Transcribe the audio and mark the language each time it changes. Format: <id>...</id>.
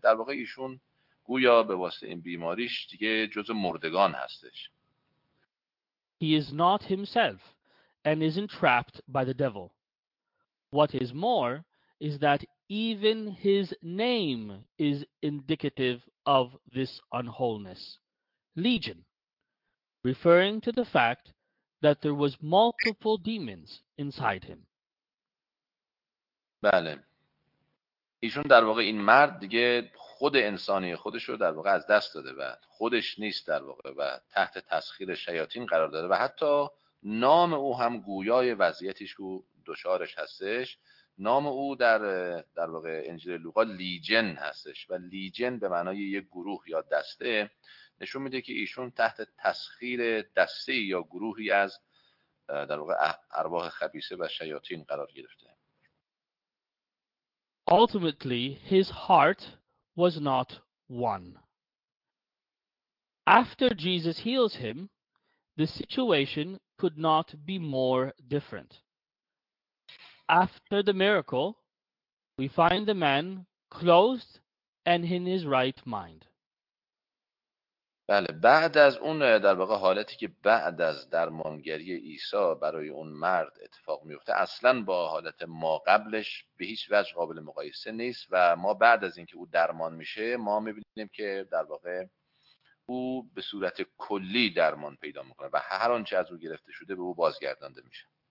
<fa>در واقع ایشون گویا به واسطه این بیماریش دیگه جز مردگان هستش.</fa> <en>He is not himself and is entrapped by the devil. What is more is that even his name is indicative of this unwholeness, Legion, referring to the fact that there was multiple demons inside him.</en> <fa>بله، ایشون در واقع این مرد دیگه خود انسانی خودش رو در واقع از دست داده و خودش نیست در واقع و تحت تسخیر شیاطین قرار داده و حتی نام او هم گویای وضعیتش و دچارش هستش. نام او در واقع انجیل لوقا لیجن هستش و لیجن به معنای یک گروه یا دسته، نشون میده که ایشون تحت تسخیر دسته یا گروهی از در واقع ارواح خبیثه و شیاطین قرار گرفته.</fa> <en>Ultimately, his heart was not one. After Jesus heals him, the situation could not be more different. After the miracle, we find the man clothed and in his right mind.</en> <fa>بله، بعد از اون در واقع حالتی که بعد از درمانگری عیسی برای اون مرد اتفاق میفته اصلا با حالت ما قبلش به هیچ وجه قابل مقایسه نیست، و ما بعد از اینکه او درمان میشه ما میبینیم که در واقع او به صورت کلی درمان پیدا میکنه و هر آنچه از او گرفته شده به او بازگردانده میشه.</fa>